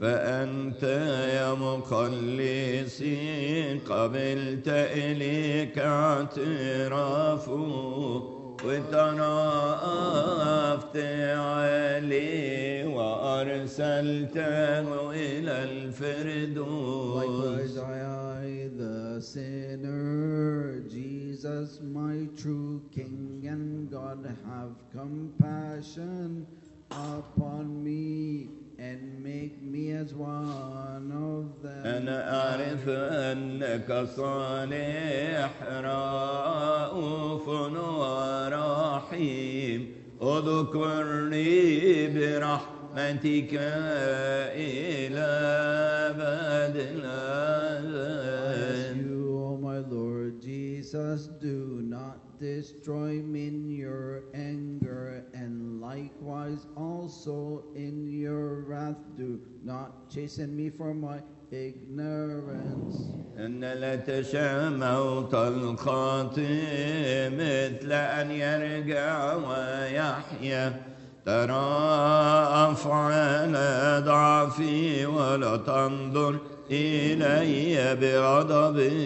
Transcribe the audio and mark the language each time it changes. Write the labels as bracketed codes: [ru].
[ar] فأنت يا مخلصي قبلت إليك اعترافه وترأفت علي وأرسلته إلى الفردوس. [en] Likewise, I, the sinner, Jesus, my true King and God, have compassion upon me and make me as one of them. [ar] أنا أعرف أنك صالح رؤوف ورحيم. أذكرني برحمتك إلى أبد الأبد. [en] As you, O my Lord Jesus, do not destroy me in your anger, and likewise also in your wrath do not chasten me for my ignorance. [ar] إن لا تشاء موت القاتل مثل أن يرجع ويحيا. ترى أفعال ضعفي ولا تنظر إلي بغضب.